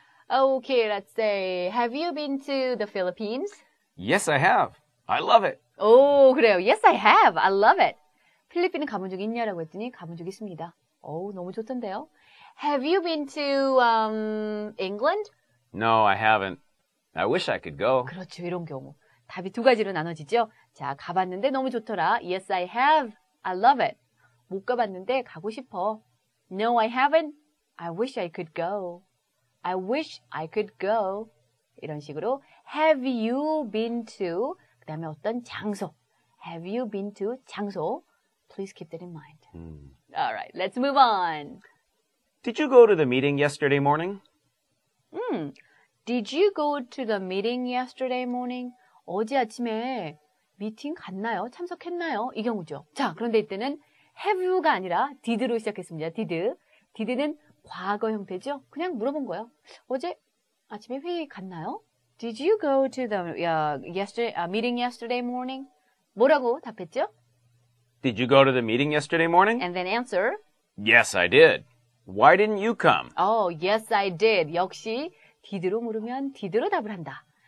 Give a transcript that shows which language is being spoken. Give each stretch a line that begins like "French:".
English: Okay, let's say, have you been to the Philippines? Yes, I have. I love it.
Korean: 오, 그래요.
English: Yes, I have. I love it.
Korean: 필리핀에 가본 적 있냐라고 했더니 가본 적 있습니다. 오, 너무 좋던데요.
English: Have you been to England? No, I haven't. I wish I could go.
Korean: 그렇죠, 이런 경우. 답이 두 가지로 나눠지죠. 자, 가봤는데 너무 좋더라.
English: Yes, I have. I love it.
Korean: 못 가봤는데 가고 싶어.
English: No, I haven't. I wish I could go. I wish I could go.
Korean: 이런 식으로
English: Have you been to?
Korean: 그 다음에 어떤 장소.
English: Have you been to 장소? Please keep that in mind. All right, let's move on. Did you go to the meeting yesterday morning? Did you go to the meeting yesterday morning?
Korean: 어제 아침에 미팅 갔나요? 참석했나요? 이 경우죠. 자, 그런데 이때는 have가 아니라 did로 시작했습니다. Did. Did는 과거 형태죠. 그냥 물어본 거예요. 어제 아침에 회의 갔나요?
English: Did you go to the meeting yesterday morning?
Korean: 뭐라고 답했죠?
English: Did you go to the meeting yesterday morning? And then answer. Yes, I did. Why didn't you come? Oh, yes, I did.
Korean: 역시 did로 물으면 did로 답을 한다.